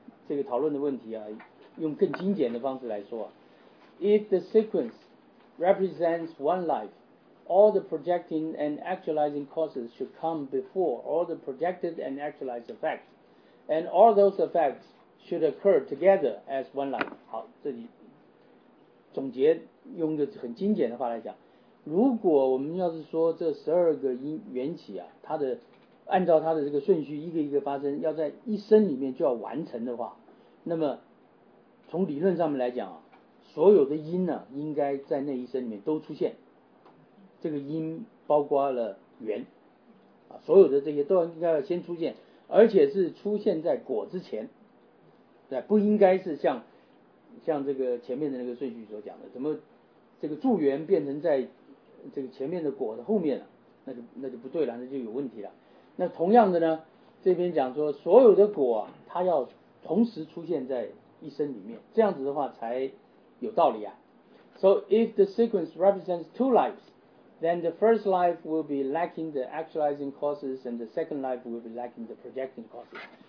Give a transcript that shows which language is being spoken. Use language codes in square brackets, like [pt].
[en] 这个讨论的问题啊，用更精简的方式来说啊， If the sequence represents one life, all the projecting and actualizing causes should come before all the projected and actualized effects, and all those effects should occur together as one life. [zh] 好，这里总结用个很精简的话来讲，如果我们要是说这十二个因缘起啊，它的按照它的这个顺序一个一个发生，要在一生里面就要完成的话，那么从理论上面来讲啊，所有的因呢、啊、应该在那一生里面都出现，这个因包括了缘啊，所有的这些都应该要先出现，而且是出现在果之前，对，不应该是像这个前面的那个顺序所讲的，怎么这个助缘变成在这个前面的果的后面了、啊、那就不对了，那就有问题了。那同样的呢，这边讲说所有的果、啊、它要同时出现在一生里面，这样子的话才有道理啊。 [en] So if the sequence represents two lives, then the first life will be lacking the actualizing causes and the second life will be lacking the projecting causes.